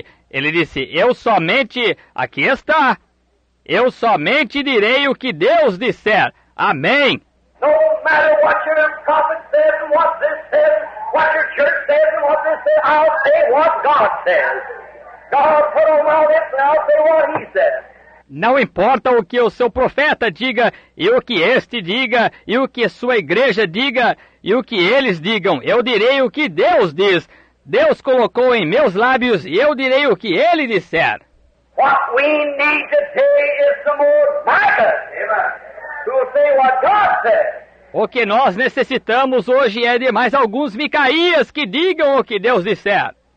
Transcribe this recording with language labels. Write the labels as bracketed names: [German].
[Portuguese] Ele disse, eu somente, aqui está, eu somente direi o que Deus disser, amém. [English] No matter what your prophet says and what this says, what your church says and what this says, I'll say what God says. God put on my lips and I'll say what he says. [Portuguese] Não importa o que o seu profeta diga, e o que este diga, e o que sua igreja diga, e o que eles digam, eu direi o que Deus diz. Deus colocou em meus lábios, e eu direi o que ele disser. [English] What we need today is some more Micahs, who will say what God says. [Portuguese] O que nós necessitamos hoje é de mais alguns Micaías que digam o que Deus disser.